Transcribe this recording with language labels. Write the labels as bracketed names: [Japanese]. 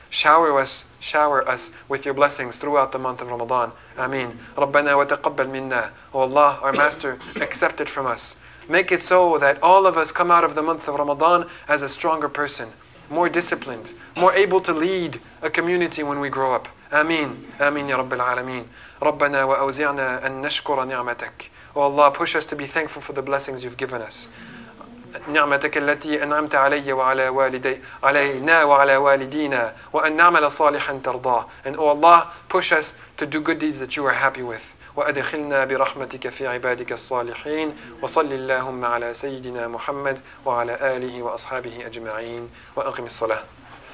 [English] Shower us with your blessings throughout the month of Ramadan. Ameen. [Arabic] رَبَّنَا وَتَقَبَّلْ مِنَّا. [English] O Allah, our Master, accept it from us. Make it so that all of us come out of the month of Ramadan as a stronger person, more disciplined, more able to lead a community when we grow up. [Arabic] آمين آمين يا رب العالمين. ربنا وأوزعنا أن نشكر نعمتك. [English] Oh Allah, push us to be thankful for the blessings you've given us. [Arabic] نعمتك التي أنعمت علي وعلى والدي علينا وعلى والدينا وأن نعمل صالحا ترضاه. [English] And oh Allah, push us to do good deeds that you are happy with. [Arabic] وأدخلنا برحمتك في عبادك الصالحين. وصل اللهم على سيدنا محمد وعلى آله وأصحابه أجمعين. وأقم الصلاة.